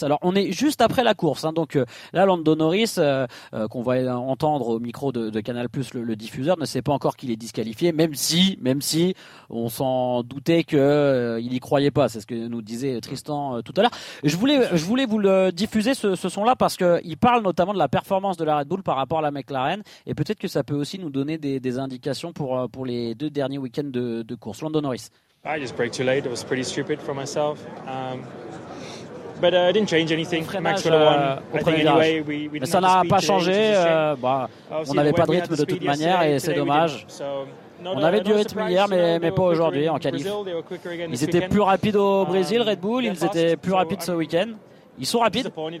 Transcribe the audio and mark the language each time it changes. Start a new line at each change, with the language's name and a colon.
French: Alors, on est juste après la course. Hein, donc là, Lando Norris, qu'on va entendre au micro de Canal+, le diffuseur, ne sait pas encore qu'il est disqualifié, même si on s'en doutait qu'il n'y croyait pas. C'est ce que nous disait Tristan tout à l'heure. Je voulais vous le diffuser, ce son-là, parce qu'il parle notamment de la performance de la Red Bull par rapport à la McLaren. Et peut-être que ça peut aussi nous donner des indications pour les 2 derniers week-ends de course. Lando Norris.
English: I just braked too late. It was pretty stupid for myself. But I didn't change anything. Max would have won. I think anyway, we
French: ça n'a pas changé. On n'avait pas de rythme de toute manière et c'est dommage. On avait du rythme hier, mais pas aujourd'hui en qualif. Ils étaient plus rapides au Brésil, Red Bull. Ils étaient plus rapides ce week-end. Ils sont rapides.